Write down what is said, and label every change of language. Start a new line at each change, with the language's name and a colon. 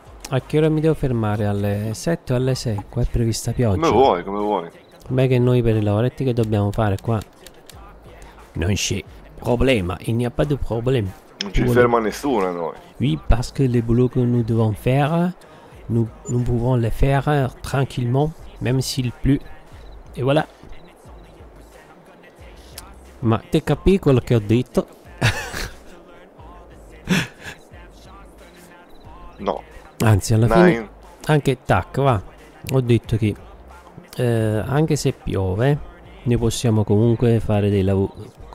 Italian: A che ora mi devo fermare? Alle 7 o alle 6? Qua è prevista Come pioggia. Com'è vuoi, come vuoi. che noi per i lavoretti che dobbiamo fare qua? Non c'è problema,
French: il n'y a pas de problème.
Italian: Non ci ferma nessuno a noi.
French: Oui, parce que le boulot que nous devons faire, nous pouvons le faire tranquillement, même s'il pleut. Et voilà.
Italian: Ma t'hai capito quello che ho detto? No. Anzi, alla fine, anche tac, va. Ho detto che anche se piove, ne possiamo comunque fare dei lavori.